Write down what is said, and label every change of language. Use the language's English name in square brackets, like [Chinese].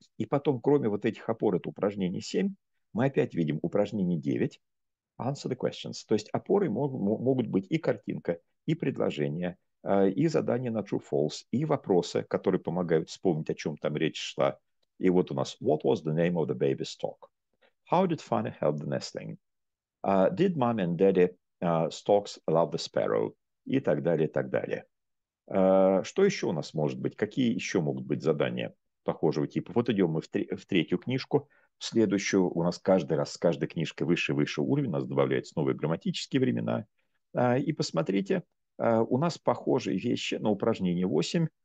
[Russian] И потом, кроме вот этих опор, это упражнение 7, мы опять видим упражнение 9, [English] answer the questions. [Russian] То есть опорой могут быть и картинка, и предложение, и задание на true-false, и вопросы, которые помогают вспомнить, о чем там речь шла. И вот у нас [English] What was the name of the baby's stork? How did Fanny help the nestling? Did mommy and daddy storks love the sparrow? [Russian] И так далее, и так далее. Что еще у нас может быть? Какие еще могут быть задания похожего типа? Вот идем мы в третью книжку. Следующую у нас каждый раз с каждой книжкой выше и выше уровень, у нас добавляются новые грамматические времена. И посмотрите, у нас похожие вещи на упражнение 8.